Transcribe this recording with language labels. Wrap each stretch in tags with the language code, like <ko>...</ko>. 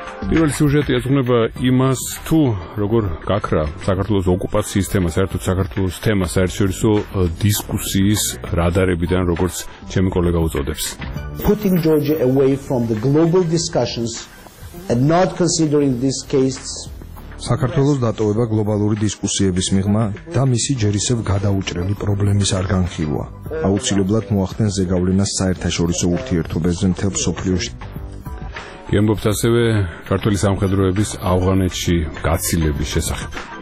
<ka>პირველი სიუჟეტი ეძღვნება იმას, თუ როგორ გაქრა საქართველოს ოკუპაციის თემა, საერთოდ საქართველოს თემა საერთაშორისო დისკუსიის რადარებიდან, როგორც ჩემი კოლეგა უწოდებს.</ka> <en>Putting Georgia away from the global discussions and not considering this case.</en> <ka>საქართველოს დატოვება გლობალური დისკუსიების მიღმა და მისი ჯერ ისევ გადაუჭრელი პრობლემის არ განხილვა აუცილებლად მოახდენს ზეგავლენას საერთაშორისო ურთიერთობებზე მთელ მსოფლიოში. გემბობთ ასევე ქართული სამხედროების ავღანეთში გაცილების შესახებ.</ka>